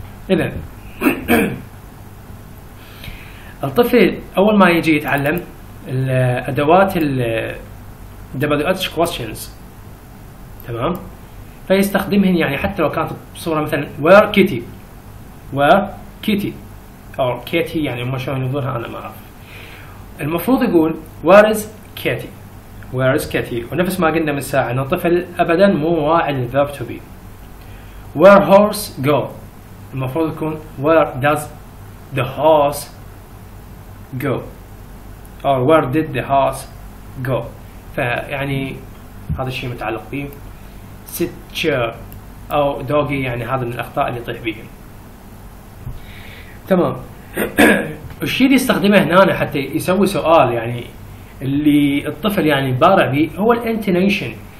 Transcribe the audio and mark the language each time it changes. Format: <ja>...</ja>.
<ar>إذن الطفل أول ما يجي يتعلم الأدوات ال WH questions تمام، فيستخدمهن يعني حتى لو كانت بصورة مثلا</ar> <en>where kitty، where kitty</en> <ar>أو كيتي يعني ما شلون يظهرها أنا ما أعرف. المفروض يقول</ar> <en>where is kitty، where is kitty،</en> <ar>ونفس ما قلنا من ساعة أن الطفل أبدا مو واعي للverb to be.</ar> <en>where horse go،</en> <ar>المفروض يكون</ar> <en>where does the horse go or where did the horse go.</en> <ar>فيعني هذا الشيء متعلق به</ar> <en>sit chair</en> <ar>أو doggy، يعني هذا من الأخطاء اللي يطيح بيهم تمام. الشيء اللي يستخدمه هنا حتى يسوي سؤال يعني اللي الطفل يعني بارع به هو الانتونيشن.</ar>